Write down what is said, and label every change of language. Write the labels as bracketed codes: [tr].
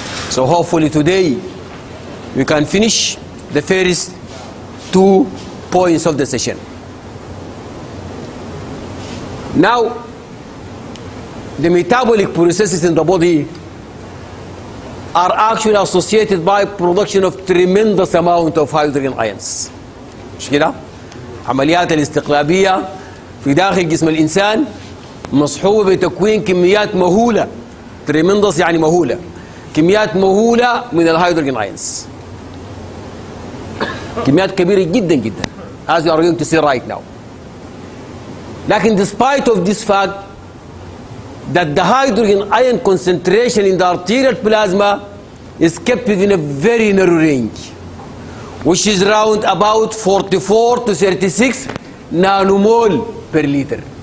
[en] So hopefully today, we can finish the first 2 points of the session. Now, the metabolic processes in the body are actually associated by production of tremendous amount of hydrogen ions. [ar] مش كده؟ عمليات الاستقلابية في داخل جسم الإنسان مصحوبة بتكوين كميات مهولة. Tremendous يعني مهولة. كميات مهولة من الهيدروجين ions. كميات كبيرة جدا جدا. [en] As you are going to see right now. [ar] لكن [en] despite of this fact that the hydrogen ion concentration in the arterial plasma is kept within a very narrow range, which is around about 44 to 36 nanomole per liter.